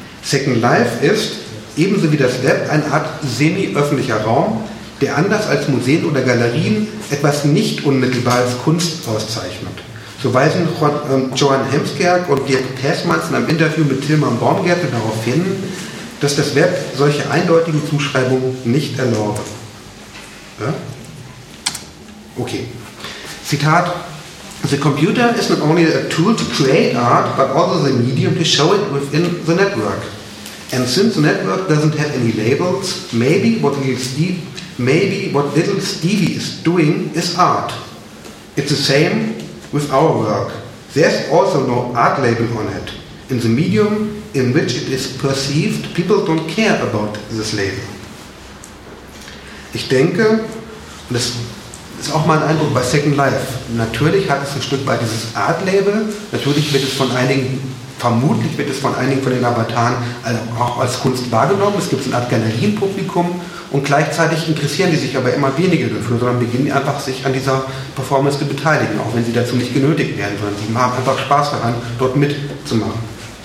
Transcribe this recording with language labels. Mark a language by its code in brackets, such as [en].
[de] Second Life ist, ebenso wie das Web, eine Art semi-öffentlicher Raum, der anders als Museen oder Galerien etwas nicht unmittelbar als Kunst auszeichnet. So weisen Johann Hemskerk und Dirk Tessmanns in einem Interview mit Tilman Baumgärtel darauf hin, dass das Web solche eindeutigen Zuschreibungen nicht erlaubt. Okay. [en] Zitat: The computer is not only a tool to create art, but also the medium to show it within the network. And since the network doesn't have any labels, maybe what little Stevie is doing is art. It's the same with our work. There's also no art label on it. In the medium in which it is perceived, people don't care about this label. [de] Ich denke, und das ist auch mein Eindruck bei Second Life. Natürlich hat es ein Stück weit dieses Art-Label. Natürlich wird es von einigen, vermutlich wird es von einigen von den Avataren auch als Kunst wahrgenommen. Es gibt so eine Art Galerienpublikum. Und gleichzeitig interessieren die sich aber immer weniger dafür, sondern beginnen einfach, sich an dieser Performance zu beteiligen, auch wenn sie dazu nicht genötigt werden, sondern sie haben einfach Spaß daran, dort mitzumachen.